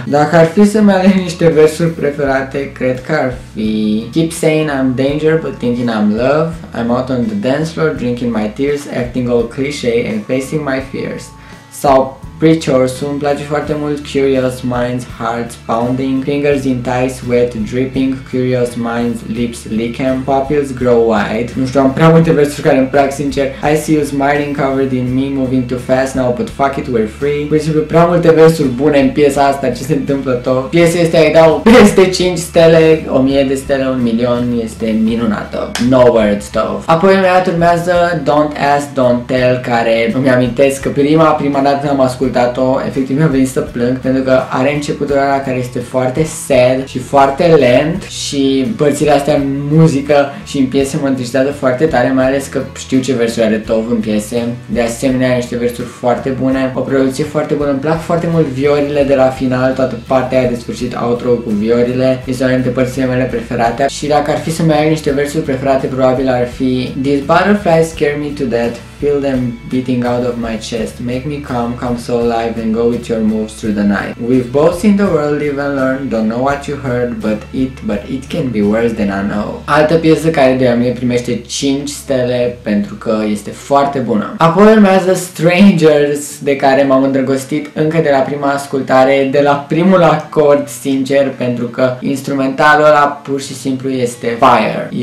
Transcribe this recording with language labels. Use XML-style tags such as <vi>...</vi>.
<ro>Dacă ar fi să-mi aleg niște versuri preferate, cred că ar fi</ro> <en>"Keep saying I'm danger but thinking I'm love, I'm out on the dance floor drinking my tears, acting all cliche and facing my fears",</en> <ro>sau</ro> <en>"Preachers",</en> <ro>îmi place foarte mult</ro> <en>"Curious Minds, Hearts Pounding, Fingers in Ties, Wet Dripping, Curious Minds, Lips Licking, Pupils Grow Wide".</en> <ro>Nu știu, am prea multe versuri care îmi plac sincer.</ro> <en>"I see you smiling covered in me, moving too fast now but fuck it, we're free".</en> <ro>Pur și simplu prea multe versuri bune în piesa asta, ce se întâmplă tot. Piesa este, ai dau peste 5 stele, 1000 de stele, 1 milion, este minunată.</ro> <en>No words though.</en> <ro>Apoi mi-a urmează "Don't Ask, Don't Tell", care îmi amintesc că prima dată am ascultat ascultat-o, efectiv mi-a venit să plâng, pentru că are începutul ăla care este foarte sad și foarte lent și părțile astea în muzică și în piese mă întristează foarte tare, mai ales că știu ce versuri are Tov în piese. De asemenea, are niște versuri foarte bune, o producție foarte bună, îmi plac foarte mult viorile de la final, toată partea aia de sfârșit, outro cu viorile, este una dintre părțile mele preferate. Și dacă ar fi</ro> <en>să mai ai niște versuri preferate, probabil ar fi "These butterflies scare me to death, feel them beating out of my chest, make me calm, come so alive and go with your moves through the night. We've both seen the world, live and learn, don't know what you heard, but it can be worse than I know".</en> <ro>Altă piesă care de la mine primește 5 stele pentru că este foarte bună. Apoi urmează "Strangers", de care m-am îndrăgostit încă de la prima ascultare, de la primul acord sincer, pentru că instrumentalul ăla pur și simplu este fire.</ro>